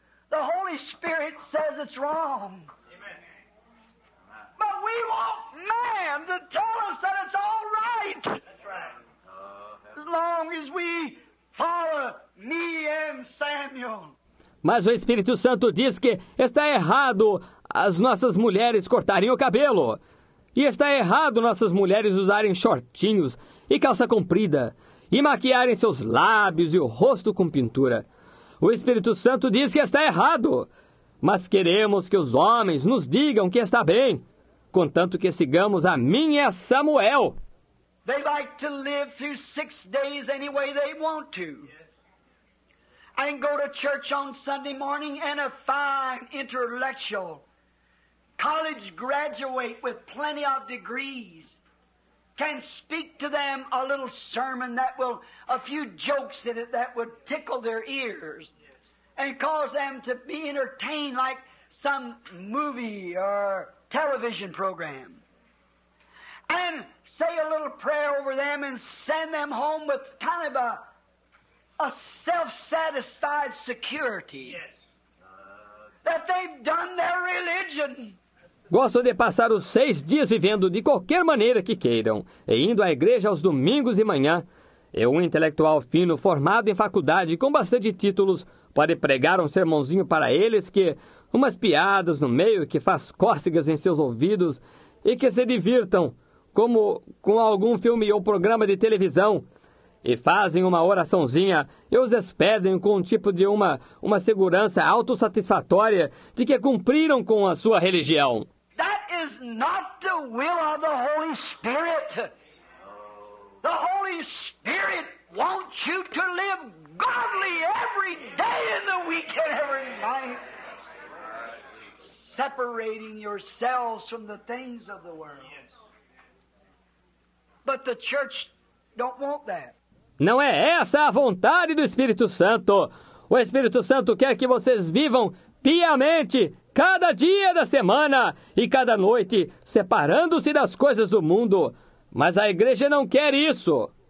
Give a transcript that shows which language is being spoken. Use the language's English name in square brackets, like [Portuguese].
[English] The Holy Spirit says it's wrong. But we want man to tell us that it's all right. As long as we follow me and Samuel. [Portuguese] Mas o Espírito Santo diz que está errado as nossas mulheres cortarem o cabelo. E está errado nossas mulheres usarem shortinhos e calça comprida e maquiarem seus lábios e o rosto com pintura. O Espírito Santo diz que está errado, mas queremos que os homens nos digam que está bem, contanto que sigamos a mim e a Samuel. [English] They like to live through 6 days any way they want to. And go to church on Sunday morning and a fine intellectual. College graduate with plenty of degrees can speak to them a little sermon that will, a few jokes in it that would tickle their ears and cause them to be entertained like some movie or television program. And say a little prayer over them and send them home with kind of a self-satisfied security. Yes. That they've done their religion. [Portuguese] Gosto de passar os 6 dias vivendo de qualquer maneira que queiram, e indo à igreja aos domingos e manhã. Eu, um intelectual fino, formado em faculdade, com bastante títulos, pode pregar um sermãozinho para eles que, umas piadas no meio, que faz cócegas em seus ouvidos, e que se divirtam, como com algum filme ou programa de televisão, e fazem uma oraçãozinha, e os despedem com um tipo de uma segurança autossatisfatória de que cumpriram com a sua religião. [English] That is not the will of the Holy Spirit. The Holy Spirit wants you to live godly every day in the week and every night, separating yourselves from the things of the world. But the church don't want that. [Portuguese] Não é essa a vontade do Espírito Santo. O Espírito Santo quer que vocês vivam piamente cada dia da semana e cada noite, separando-se das coisas do mundo. Mas a igreja não quer isso.